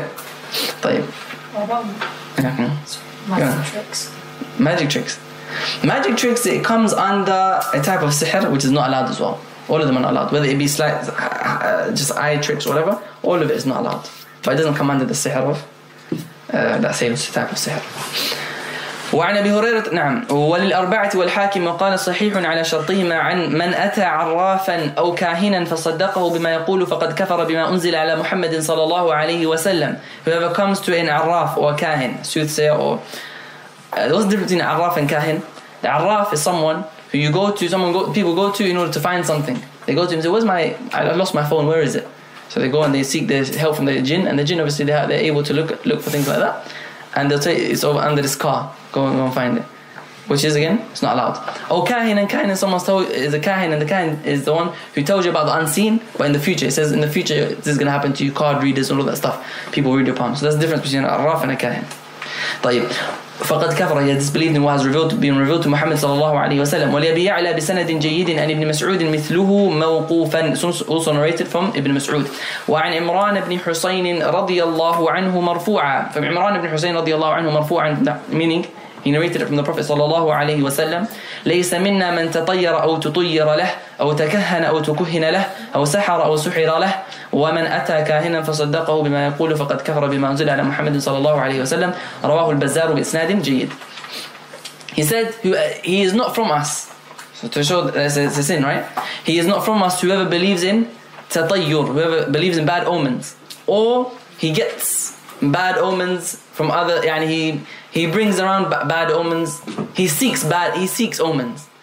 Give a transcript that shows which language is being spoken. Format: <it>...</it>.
<en>What about tricks? Magic tricks. Magic tricks, it comes under a type of sihr, which is not allowed as well. All of them are not allowed. Whether it be slight, just eye tricks or whatever, all of it is not allowed. But it doesn't come under the sihr of that same type of sihr.</en> <ar>وعن أبي هريرة نعم وللأربعة والحاكم وقال صحيح على شرطهما عن من أتى عرافا أو كاهنا فصدقه بما يقول فقد كفر بما أنزل على محمد صلى الله عليه وسلم.</ar> <en>Whoever comes to an عراف or كاهن, soothsayer or what's the difference between عراف and كاهن? The عراف is someone who you go to, people go to in order to find something. They go to him and say, I lost my phone, where is it? So they go and they seek the help from the jinn, and the jinn obviously they're able to look for things like that, and they'll say it's over under this car. Go and find it. Which is, again, it's not allowed. Oh, kahin, and kahin, and someone is a kahin, and the kahin is the one who tells you about the unseen, but in the future. It says in the future this is going to happen to you, card readers and all that stuff. People read your palms. So that's the difference between a raf and a kahin.</en> <ar>طيب فقد كفر</ar> <en>he disbelieved and was revealed being revealed to</en> <ar>Muhammad صلى الله عليه وسلم وليبي يعلى بسند جيد أن ابن مسعود مثله موقوفا</ar> <en>also narrated from</en> <ar>ابن مسعود وعن عمران بن حسين رضي الله عنه مرفوعا فعمران بن حسين رضي الله عنه مرفوعا</ar> <en>meaning he narrated it from the Prophet</en> <ar>صلى الله عليه وسلم ليس منا من تطير أو تطير له أو تكهن أو تكهن له أو سحر أو سحر له ومن أتى كاهنا فصدقه بما يقول فقد كفر بما أنزل على محمد صلى الله عليه وسلم رواه البزار بإسناد جيد.</ar> <en>He said he is not from us. So to show that it's a sin, right? He is not from us whoever believes in تطير, whoever believes in bad omens. Or he gets bad omens from other, يعني he brings around bad omens. He seeks omens.</en>